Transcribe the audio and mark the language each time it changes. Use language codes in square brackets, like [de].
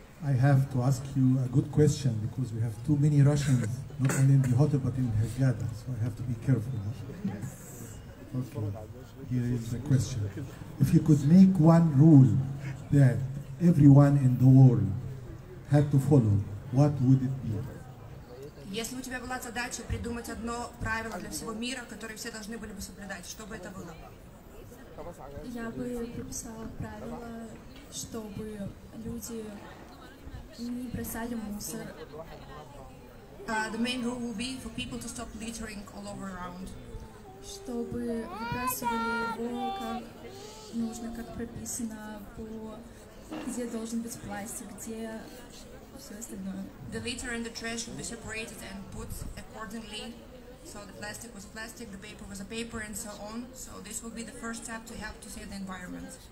[en] I have to ask you a good question because we have too many Russians, not only in the hotel but in Hergada, so I have to be careful. Yes. Okay, here is the question. If you could make one rule that everyone in the world had to follow, what would it be? [ru] Если у тебя была задача придумать одно правило для всего мира, которое все должны были бы соблюдать, что бы это было? Я бы прописала правила, чтобы люди не бросали мусор. [en] The main rule will be for people to stop littering all over around. [ru] Чтобы выбрасывали его как нужно, как прописано, по где должен быть пластик, где все остальное. [en] The litter and the trash will be separated and put accordingly. So the plastic was plastic, the paper was a paper, and so on. So this will be the first step to help to save the environment.